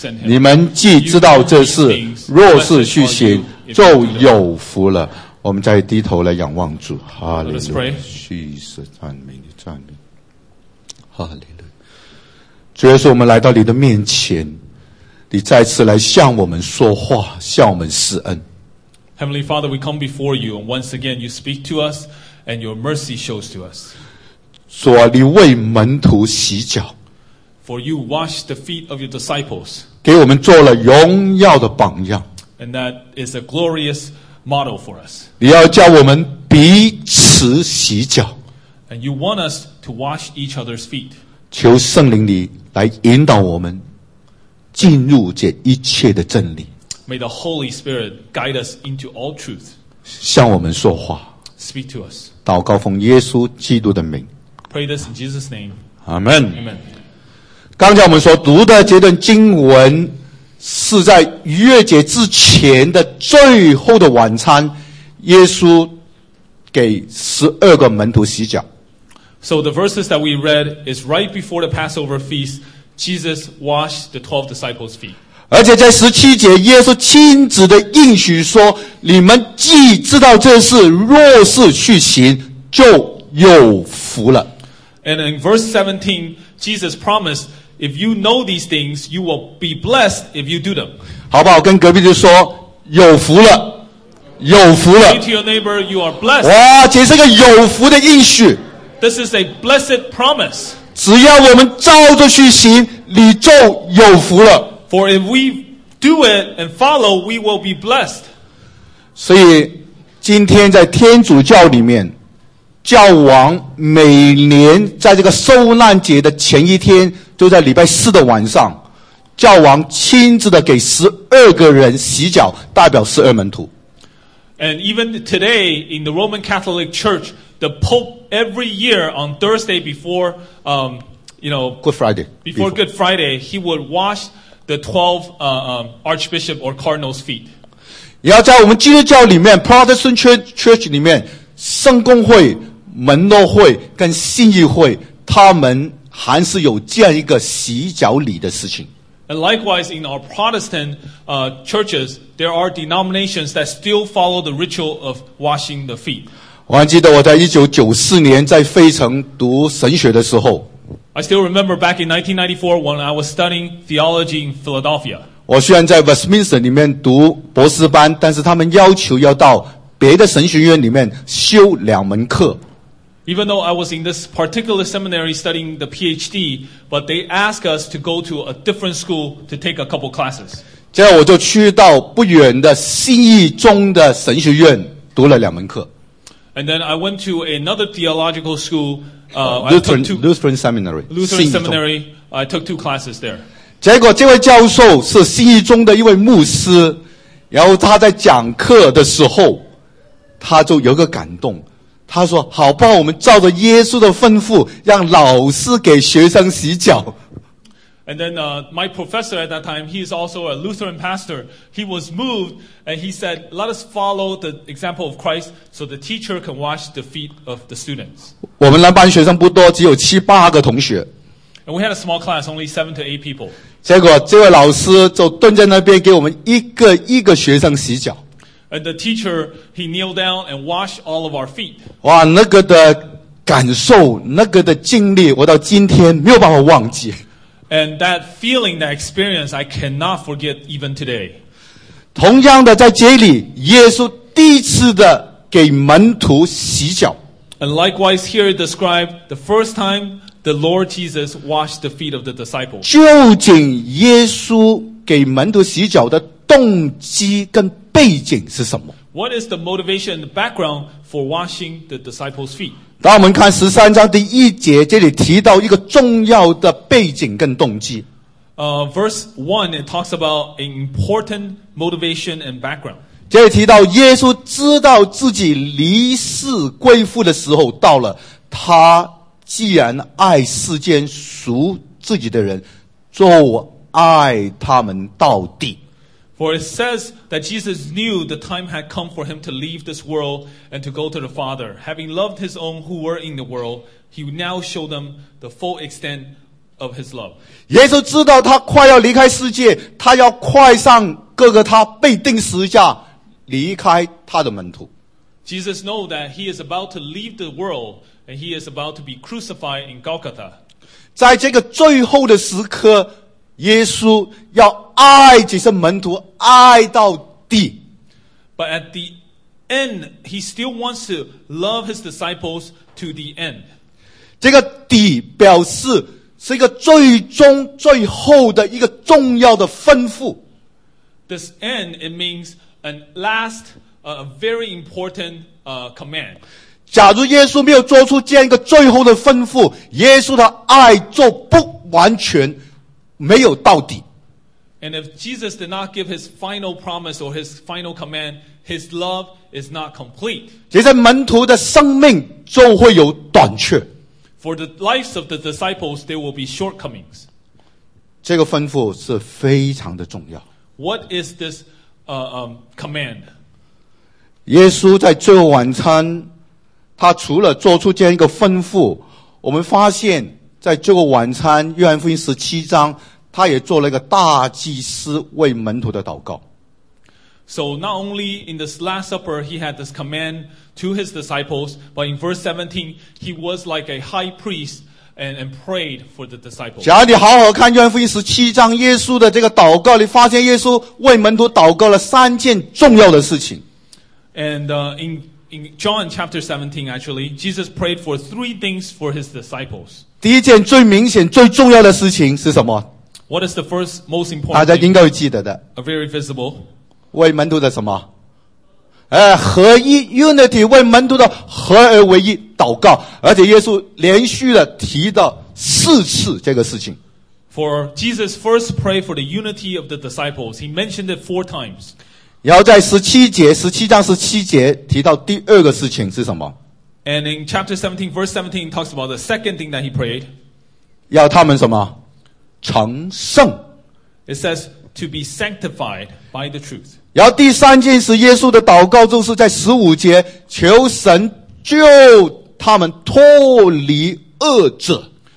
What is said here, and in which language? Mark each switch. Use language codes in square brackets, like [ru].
[zh] 你们既知道这事，若是去行，就有福了。” 我们再低头来仰望主。哈利路亚，叙事赞美你，赞美哈利路亚。主耶稣，我们来到你的面前，你再次来向我们说话，向我们施恩。 [en] Heavenly Father, we come before you, and once again you speak to us, and your mercy shows to us. [zh] 主啊，你为门徒洗脚。 [en] For you wash the feet of your disciples. [zh] 给我们做了荣耀的榜样。 [en] And that is a glorious model for us. [zh] 你要叫我们彼此洗脚。 [en] And you want us to wash each other's feet. [zh] 求圣灵你来引导我们进入这一切的真理。 [en] May the Holy Spirit guide us into all truth. [zh] 向我们说话。 [en] Speak to us. [zh] 祷告奉耶稣基督的名。 [en] Pray this in Jesus' name. Amen. Amen. [zh] 刚才我们所读的这段经文是在逾越节之前的最后的晚餐，耶稣给十二个门徒洗脚。 [en] So the verses that we read is right before the Passover feast, Jesus washed the 12 disciples' feet. [zh] 而且在17节耶稣亲自的应许说，你们既知道这事，若是去行，就有福了。 [en] And in verse 17 Jesus promised, if you know these things, you will be blessed if you do them. [zh] 好不好，跟隔壁就说有福了，有福了。 [en] Say to your neighbor, you are blessed. [zh] 哇，这是个有福的应许。 [en] This is a blessed promise. [zh] 只要我们照着去行，你就有福了。 [en] For if we do it and follow, we will be blessed. [zh] 所以今天在天主教里面，教王每年在这个受难节的前一天，就在礼拜四的晚上，教王亲自的给十二个人洗脚，代表十二门徒。 [en] And even today in the Roman Catholic Church, the Pope every year on Thursday before, Good Friday. Before Good Friday, he would wash the 12 archbishop or cardinal's feet. [zh] 也要在我们基督教里面 [en] Protestant church [zh] 里面，圣公会、门诺会跟信义会，他们还是有这样一个洗脚礼的事情。 [en] And likewise, in our Protestant churches, there are denominations that still follow the ritual of washing the feet. [zh] 我还记得我在1994年在费城读神学的时候。 [en] I still remember back in 1994 when I was studying theology in Philadelphia. [zh] 我虽然在 Westminster 里面读博士班，但是他们要求要到别的神学院里面修两门课。 [en] Even though I was in this particular seminary studying the PhD, but they asked us to go to a different school to take a couple classes. [zh] 接着我就去到不远的信义中的神学院读了两门课。 [en] And then I went to another theological school, Lutheran Seminary. Lutheran Seminary, I took two classes there. [zh] 结果这位教授是信义中的一位牧师，然后他在讲课的时候，他就有个感动。他说：“好不好，我们照着耶稣的吩咐，让老师给学生洗脚。” [en] And then my professor at that time, he is also a Lutheran pastor. He was moved, and he said, "Let us follow the example of Christ, so the teacher can wash the feet of the students." [zh] 我们来班学生不多，只有七八个同学。 [en] And we had a small class, only 7 to 8 people. [zh] 结果这位老师就蹲在那边，给我们一个一个学生洗脚。 [en] And the teacher, he kneeled down and washed all of our feet. [zh] 哇，那个的感受，那个的经历，我到今天没有办法忘记。 [en] And that feeling, that experience, I cannot forget even today. [zh] 同样的，在这里，耶稣第一次的给门徒洗脚。 [en] And likewise, here it described the first time the Lord Jesus washed the feet of the disciples. [zh] 究竟耶稣给门徒洗脚的动机跟背景是什么？ [en] What is the motivation and the background for washing the disciples' feet? [zh] 当我们看13章第一节，这里提到一个重要的背景跟动机。 [en] Verse 1, it talks about an important motivation and background. [zh] 这里提到耶稣知道自己离世归父的时候到了，他既然爱世间属自己的人，就爱他们到底。 [en] For it says that Jesus knew the time had come for him to leave this world and to go to the Father. Having loved his own who were in the world, he would now show them the full extent of his love. [zh] 耶稣知道他快要离开世界，他要快上哥哥他被钉十字架，离开他的门徒。 [en] Jesus knows that he is about to leave the world and he is about to be crucified in Golgotha. [zh] 在这个最后的时刻，耶稣要爱这些门徒爱到底。 [en] But at the end, he still wants to love his disciples to the end. [zh] 这个底表示是一个最终最后的一个重要的吩咐。 [en] This end, it means a last, very important, command. [zh] 假如耶稣没有做出这样一个最后的吩咐，耶稣的爱就不完全，没有到底。 [en] And if Jesus did not give his final promise or his final command, his love is not complete. [zh] 这些门徒的生命就会有短缺。 [en] For the lives of the disciples, there will be shortcomings. [zh] 这个吩咐是非常的重要。 [en] What is this command? [zh] 耶稣在最后晚餐，他除了做出这样一个吩咐，我们发现在最后晚餐，约翰福音17章，他也做了一个大祭司为门徒的祷告。 [en] So not only in this Last Supper he had this command to his disciples, but in verse 17 he was like a high priest and prayed for the disciples. [zh] 假如你好好看约翰福音17章耶稣的这个祷告，你发现耶稣为门徒祷告了三件重要的事情。 [en] And in John chapter 17 actually, Jesus prayed for three things for his disciples. [zh] 第一件最明显最重要的事情是什么？ [en] What is the first most important thing? [zh] 大家应该会记得的。 [en] A very visible. [zh] 为门徒的什么？合一 ,unity, 为门徒的合而为一祷告。而且耶稣连续的提到四次这个事情。 [en] For Jesus first prayed for the unity of the disciples. He mentioned it 4 times. [zh] 然后在17章17节提到第二个事情是什么？ [en] And in chapter 17, verse 17 talks about the second thing that he prayed. [zh] 要他们什么？成圣。 [en] It says to be sanctified by the truth. [zh] 然后第三件事，耶稣的祷告就是在15节，求神救他们脱离恶者。